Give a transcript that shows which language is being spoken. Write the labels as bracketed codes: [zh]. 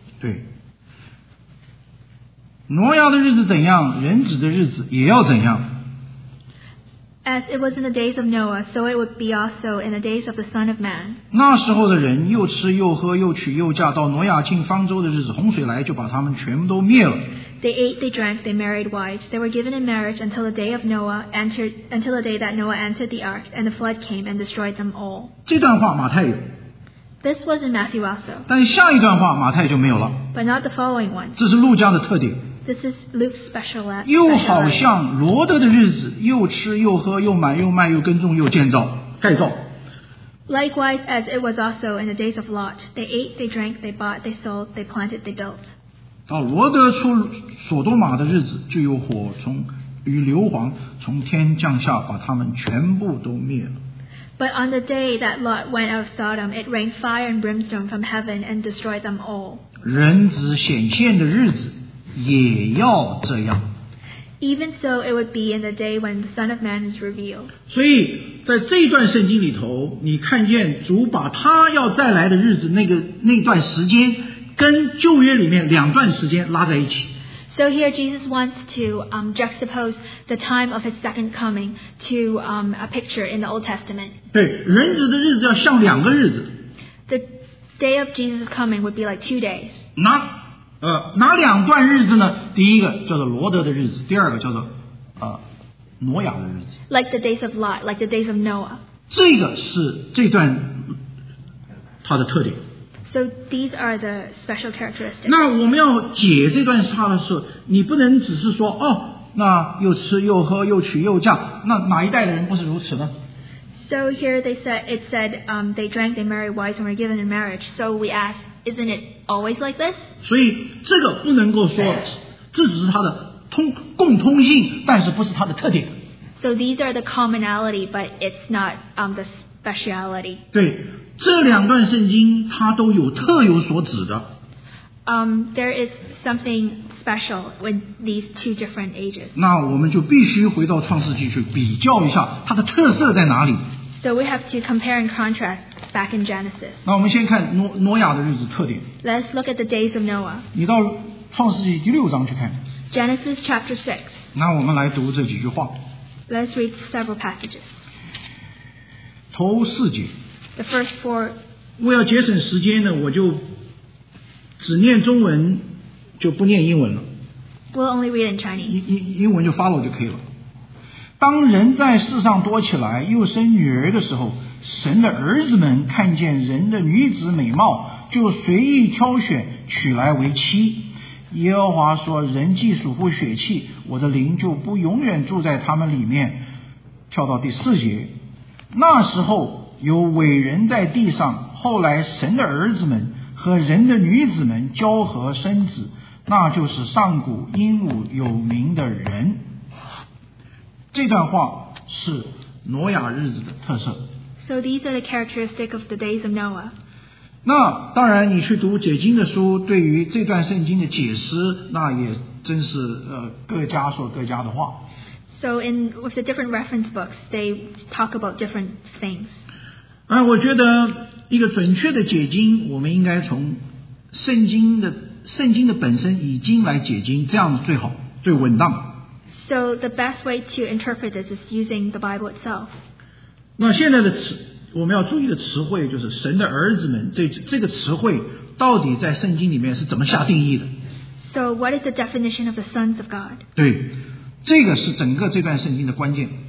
[zh] 对，挪亚的日子怎样，人子的日子也要怎样。 [en] As it was in the days of Noah, so it would be also in the days of the Son of Man. [zh] 那时候的人又吃又喝又娶又嫁，到挪亚进方舟的日子，洪水来就把他们全部都灭了。 [en] They ate, they drank, they married wives. They were given in marriage until the day of Noah entered, until the day that Noah entered the ark, and the flood came and destroyed them all. [zh] 这段话马太有。 [en] This was in Matthew also. [zh] 但下一段话马太就没有了。 [en] But not the following one. [zh] 这是路加的特点。 [en] This is Luke's special. [zh] 又好像罗德的日子，又吃又喝又买又卖又耕种又建造盖造。 [en] Likewise, as it was also in the days of Lot, they ate, they drank, they bought, they sold, they planted, they built. [zh] 到罗德出索多玛的日子，就有火从与硫磺从天降下，把他们全部都灭了。 [en] But on the day that Lot went out of Sodom, it rained fire and brimstone from heaven and destroyed them all. [zh] 人子显现的日子也要这样。 [en] Even so, it would be in the day when the Son of Man is revealed. [zh] 所以在这一段圣经里头，你看见主把他要再来的日子那段时间。跟旧约里面两段时间拉在一起。 [en] So here Jesus wants to juxtapose the time of his second coming to a picture in the Old Testament. [zh] 对，人子的日子要像两个日子。 [en] The day of Jesus' coming would be like 2 days. Not [zh] 哪两段日子呢？第一个叫做罗德的日子，第二个叫做挪亚的日子。 [en] Like the days of Lot, like the days of Noah. [zh] 这个是这段它的特点。 [en] So these are the special characteristics. [zh] 那我们要解这段差的时候，你不能只是说哦，那又吃又喝又娶又嫁，那哪一代的人不是如此呢？ [en] So here they said, it said, they drank, they married wives, and were given in marriage. So we ask, isn't it always like this? [zh] 所以这个不能够说，这只是它的共通性，但是不是它的特点。 [en] So these are the commonality, but it's not the speciality. [zh] 对，这两段圣经它都有特有所指的。 [en] There is something special with these two different ages. [zh] 那我们就必须回到创世纪去比较一下它的特色在哪里。 [en] So we have to compare and contrast back in Genesis. [zh] 那我们先看挪亚的日子特点。 [en] Let's look at the days of Noah. [zh] 你到创世纪第六章去看。 [en] Genesis chapter 6. [zh] 那我们来读这几句话。 [en] Let's read several passages. [zh] 头四节。 [en] The first four. [zh] 为了节省时间呢，我就只念中文，就不念英文了。 [en] We'll only read in Chinese. [zh] 英文就 follow 就可以了。当人在世上多起来，又生女儿的时候，神的儿子们看见人的女子美貌，就随意挑选娶来为妻。耶和华说：“人既属乎血气，我的灵就不永远住在他们里面。” 跳到第四节，那时候有伟人在地上，后来神的儿子们和人的女子们交合生子，那就是上古英武有名的人。这段话是挪亚日子的特色。 [en] So these are the characteristics of the days of Noah. [zh] 那当然，你去读解经的书，对于这段圣经的解释，那也真是各家说各家的话。 [en] So in with the different reference books, they talk about different things. [zh] 我觉得一个准确的解经，我们应该从圣经的本身已经来解经，这样最好最稳当。 [en] So the best way to interpret this is using the Bible itself. [zh] 那现在的词，我们要注意的词汇就是神的儿子们，这个词汇到底在圣经里面是怎么下定义的。 [en] So what is the definition of the sons of God? [zh] 对，这个是整个这段圣经的关键。